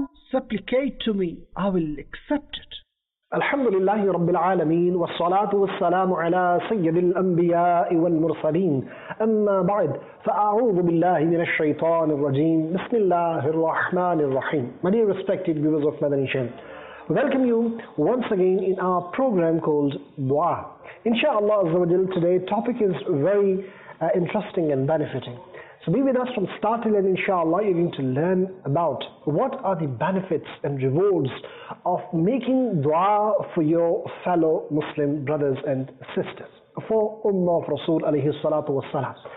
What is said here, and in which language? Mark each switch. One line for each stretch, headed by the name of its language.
English: Supplicate to me, I will accept it.
Arabic: الحمد لله رب العالمين والصلاة والسلام على سيد الأنبياء والمرسلين أما بعد فأعوذ بالله من الشيطان الرجيم بسم الله الرحمن الرحيم.
English: My dear respected viewers of Madani Channel, welcome you once again in our program called Dua. Inshallah Azza wa Jal, today topic is very interesting and benefiting. So be with us from start to end, inshallah, you're going to learn about what are the benefits and rewards of making dua for your fellow Muslim brothers and sisters, for Ummah of Rasul alayhi salatu wa salam.